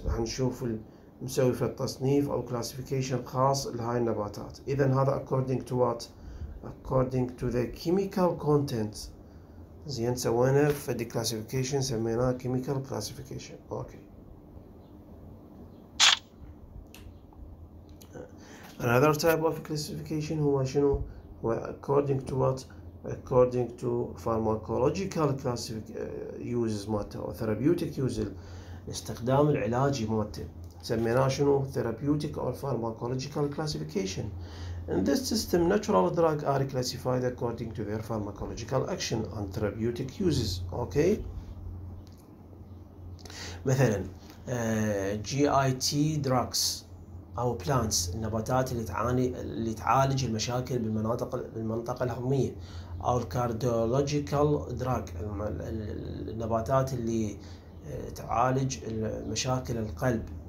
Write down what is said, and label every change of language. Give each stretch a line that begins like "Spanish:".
Arabic: راح نشوف مسوي في التصنيف او كلاسيفيكيشن خاص لهاي النباتات. اذا هذا
English: According to what? According to the chemical content
Arabic: زين، سوينا في
English: The classification سميناه chemical classification. Okay another type of classification
Arabic: هو شنو؟ هو
English: according to what؟ according to pharmacological classification uses مالته او therapeutic uses
Arabic: الاستخدام العلاجي مالته، سميناه شنو؟
English: therapeutic or pharmacological classification. In this system natural drugs are classified according to their pharmacological action and therapeutic uses.
Arabic: okay مثلا GIT drugs او بلانتس النباتات اللي تعالج المشاكل بالمنطقه الهضميه، او الكارديولوجيكال دراج النباتات اللي تعالج مشاكل القلب.